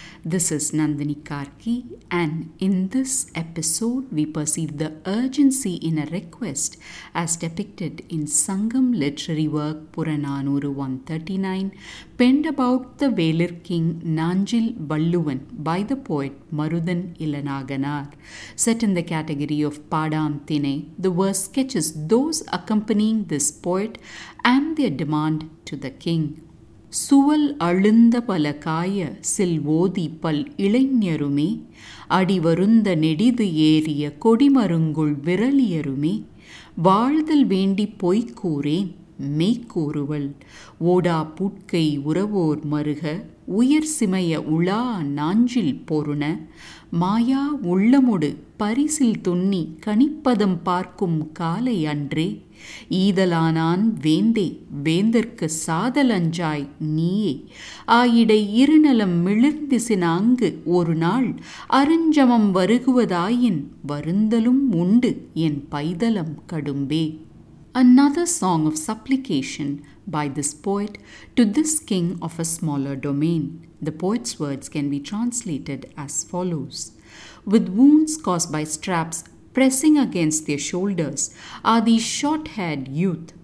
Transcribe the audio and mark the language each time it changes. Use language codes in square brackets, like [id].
[en] This is Nandini Karki, and in this episode we perceive the urgency in a request as depicted in Sangam literary work Puranaanooru 139, penned about the Velir King Naanjil Valluvan by the poet Maruthan Ilanaakanaar. Set in the category of Paadaan Thinai, the verse sketches those accompanying this poet and their demand to the king. [ta] சுவல் அழுந்த பல காய சில் ஓதி பல் இளைஞருமே அடிவருந்த நெடிது ஏறிய கொடிமருங்குள் விரலியருமே வாழ்தல் வேண்டி பொய்கூறேன் மெய்கூறுவள் ஓடா புட்கை உறவோர் மருக உயர் சிமய உளா நாஞ்சில் பொருண மாயா உள்ளமுடு பரிசில் துண்ணி கணிப்பதம் பார்க்கும் காலை அன்றே ஈதலானான் வேந்தே வேந்தற்கு சாதலஞ்சாய் நீயே ஆயிட இருநலம் மிளிர்ந்திசின அங்கு ஒரு நாள் அருஞ்சமம் வருகுவதாயின் வருந்தலும் உண்டு என் பைதலம் கடும்பே. [en] Another song of supplication by this poet to this king of a smaller domain. The poet's words can be translated as follows. With wounds caused by straps pressing against their shoulders are these short-haired youth.